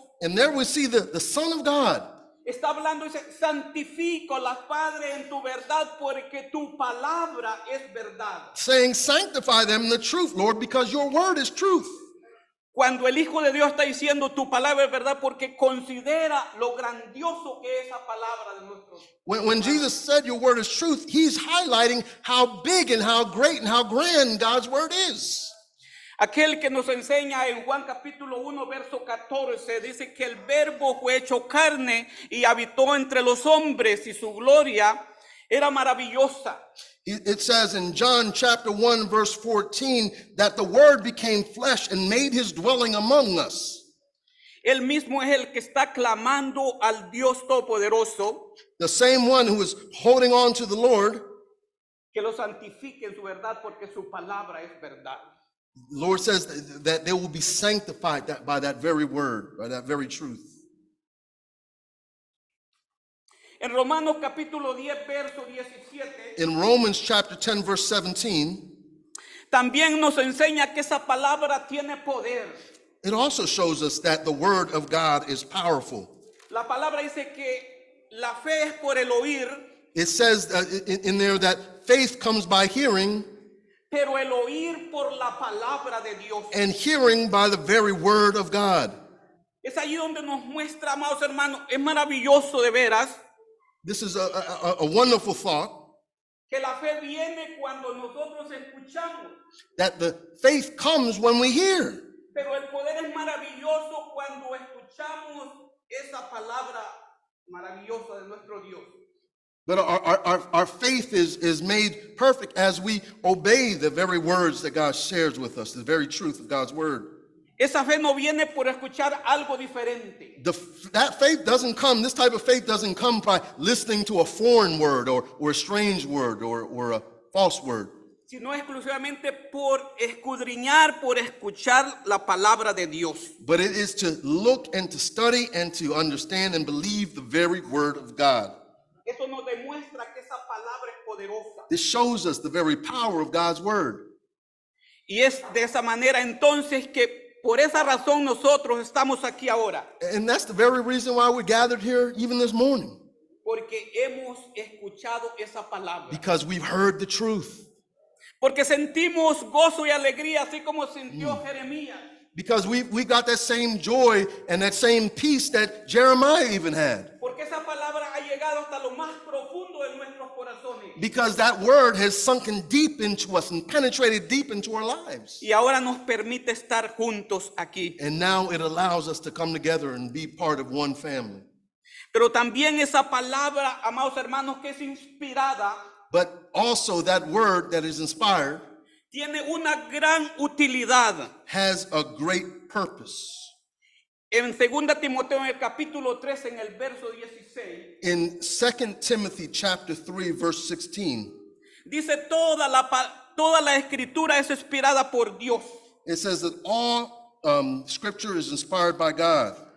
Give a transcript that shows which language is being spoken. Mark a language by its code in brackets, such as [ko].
[en] And there we see the Son of God. [es] Está hablando y dice, santifícalos, Padre, en tu verdad, porque tu palabra es verdad. [en] Saying, sanctify them in the truth, Lord, because your word is truth. [es] Cuando el Hijo de Dios está diciendo tu palabra es verdad porque considera lo grandioso que es esa palabra de nuestro. [en] When Jesus said your word is truth, he's highlighting how big and how great and how grand God's word is. [es] Aquel que nos enseña en Juan capítulo 1 verso 14 dice que el verbo fue hecho carne y habitó entre los hombres y su gloria era maravillosa. [en] It says in John chapter 1 verse 14 that the word became flesh and made his dwelling among us. [es] El mismo es el que está clamando al Dios Todopoderoso. [en] The same one who is holding on to the Lord. [es] Que lo santifique en su verdad porque su palabra es verdad. [en] The Lord says that they will be sanctified by that very word, by that very truth. [es] En Romanos capítulo 10, verso 17. [en] In Romans chapter 10, verse 17. [es] También nos enseña que esa palabra tiene poder. [en] It also shows us that the word of God is powerful. [es] La palabra dice que la fe es por el oír. [en] It says in there that faith comes by hearing. [es] Pero el oír por la palabra de Dios. [en] And hearing by the very word of God. [es] Es allí donde nos muestra, amados hermanos, es maravilloso de veras. [en] This is a wonderful thought. [es] Que la fe viene cuando nosotros escuchamos. [en] That the faith comes when we hear. [es] Pero el poder es maravilloso cuando escuchamos esa palabra maravillosa de nuestro Dios. [en] But our faith is made perfect as we obey the very words that God shares with us, the very truth of God's word. [es] Esa fe no viene por escuchar algo diferente. [en] This type of faith doesn't come by listening to a foreign word or a strange word or a false word. [es] Sino exclusivamente por escudriñar, por escuchar la palabra de Dios. [en] But it is to look and to study and to understand and believe the very word of God. [es] Eso nos demuestra que esa palabra es poderosa. [en] This shows us the very power of God's word. [es] Y es de esa manera entonces que por esa razón nosotros estamos aquí ahora. [en] And that's the very reason why we gathered here even this morning. [es] Porque hemos escuchado esa palabra. [en] Because we've heard the truth. [es] Porque sentimos gozo y alegría así como sintió Jeremías. [en] Because we got that same joy and that same peace that Jeremiah even had. [es] Porque esa palabra ha llegado hasta lo más profundo de nuestros corazones. [en] Because that word has sunken deep into us and penetrated deep into our lives. [es] Y ahora nos permite estar juntos aquí. [en] And now it allows us to come together and be part of one family. [es] Pero también esa palabra, amados hermanos, que es inspirada. [en] But also that word that is inspired. [es] Tiene una gran utilidad. [en] Has a great purpose. [es] En 2 Timoteo en el capítulo 3 en el verso 16. [en] In 2 Timothy chapter 3 verse 16. [es] Dice toda la escritura es inspirada por Dios. [en] It says that all scripture is inspired by God.